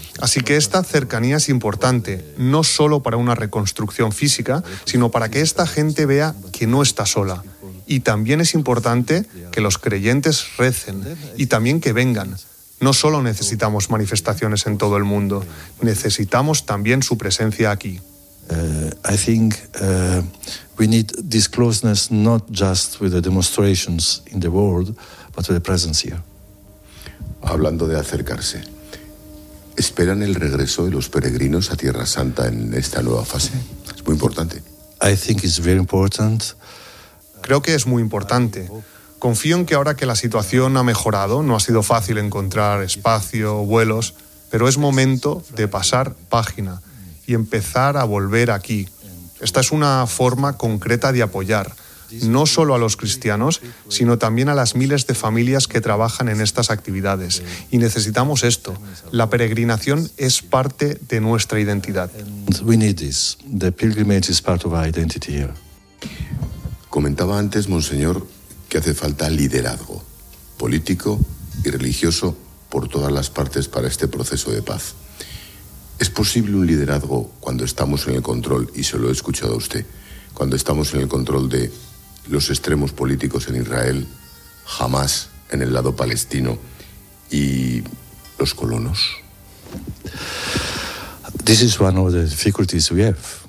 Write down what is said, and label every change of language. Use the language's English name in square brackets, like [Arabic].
[Spanish] Así que esta cercanía es importante, no solo para una reconstrucción física, sino para que esta gente vea que no está sola. Y también es importante que los creyentes recen, y también que vengan. No solo necesitamos manifestaciones en todo el mundo, necesitamos también su presencia aquí. [English] I think we need this closeness not just with the demonstrations in the world, but with the presence here. [Spanish] Hablando de acercarse, ¿esperan el regreso de los peregrinos a Tierra Santa en esta nueva fase? Es muy importante. [English] I think it's very important. [Spanish] Creo que es muy importante. Confío en que ahora que la situación ha mejorado, no ha sido fácil encontrar espacio, vuelos, pero es momento de pasar página y empezar a volver aquí. Esta es una forma concreta de apoyar, no solo a los cristianos, sino también a las miles de familias que trabajan en estas actividades. Y necesitamos esto. La peregrinación es parte de nuestra identidad. [English] We need this. The pilgrimage is part of our identity here. [Spanish] Comentaba antes, Monseñor, que hace falta liderazgo político y religioso por todas las partes para este proceso de paz. ¿Es posible un liderazgo cuando estamos en el control, y se lo he escuchado a usted, cuando estamos en el control de los extremos políticos en Israel, Hamas en el lado palestino y los colonos? [English] This is one of the difficulties we have.